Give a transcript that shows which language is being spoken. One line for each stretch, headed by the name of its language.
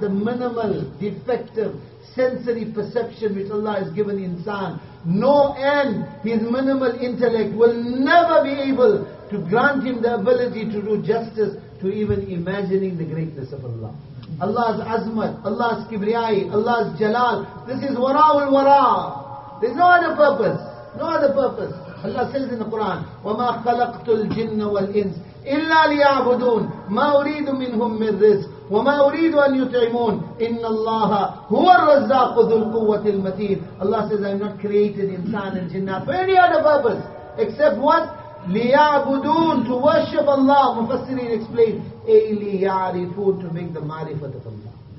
English: The minimal, defective, sensory perception which Allah has given insan, no end, his minimal intellect will never be able to grant him the ability to do justice to even imagining the greatness of Allah. Allah's azmat, Allah's kibriyai, Allah's jalal, this is wara'ul wara'. There's no other purpose. Allah says in the Quran,
Arabic: وَمَا خَلَقْتُ الْجِنَّ وَالْإِنسِ إِلَّا لِيَعْبُدُونَ مَا أُرِيدُ مِنْهُمْ مِنْ رِزْقٍ وَمَا أُرِيدُ أَنْ يُطْعِمُونَ إِنَّ اللَّهَ هُوَ الرَّزَّاقُ ذُو الْقُوَّةِ الْمَتِينَ.
English: Allah says, I've not created insan and jinnah for any other purpose except what? لِيَعْبُدُونَ, to worship Allah. Mufassirin explain, إِلِيَعْرِفُونَ, to make the ma'rifat of Allah.